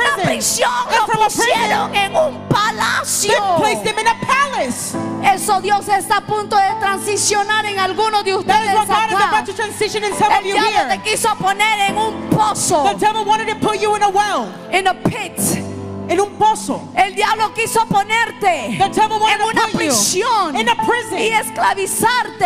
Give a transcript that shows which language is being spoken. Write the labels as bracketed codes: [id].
[es] Y de una prisión lo pusieron en un palacio. [en] They placed him in a palace. [es] Eso Dios está a punto de transicionar en alguno de ustedes. [en] That is what God is about to transition in some [es] el [en] of you here. [es] Te quiso poner en un pozo. [en] The devil wanted to put you in a well. In a pit. [es] En un pozo. El diablo quiso ponerte en una prisión y esclavizarte.